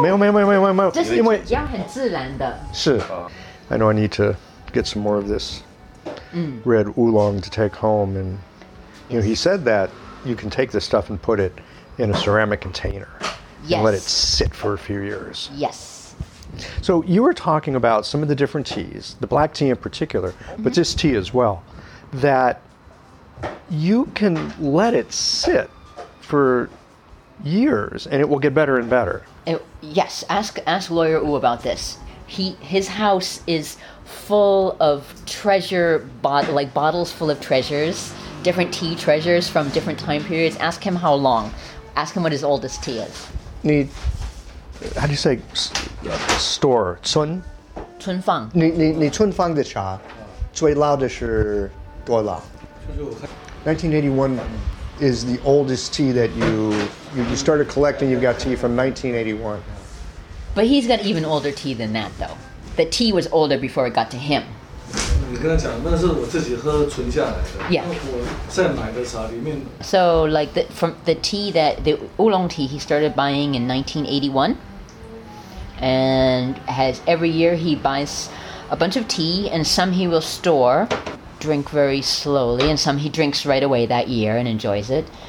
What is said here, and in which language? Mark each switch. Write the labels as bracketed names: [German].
[Chinese] 没有没有没有没有没有。这是比较很自然的。是。 [English] I know I need to get some more of this red oolong to take home. And he said that you can take this stuff and put it in a ceramic container and let it sit for a few years. Yes. So you were talking about some of the different teas, the black tea in particular, but this tea as well, that you can let it sit for years and it will get better and better. Ask Lawyer Wu about this. His house is full of treasure, like bottles full of treasures, different tea treasures from different time periods. Ask him how long. Ask him what his oldest tea is. How do you say store? Sun? [Chinese] 春放。你春放的茶，最老的是多老？ [English] 1981 is the oldest tea that you started collecting. You got tea from 1981. But he's got even older tea than that, though. The tea was older before it got to him. [Chinese] 你跟他讲，那是我自己喝存下来的。 [English] Yeah. [Chinese] 我再买的茶里面。 [English] So like from the tea that the oolong tea he started buying in 1981, and has every year he buys a bunch of tea and some he will store. Drink very slowly, and some he drinks right away that year and enjoys it.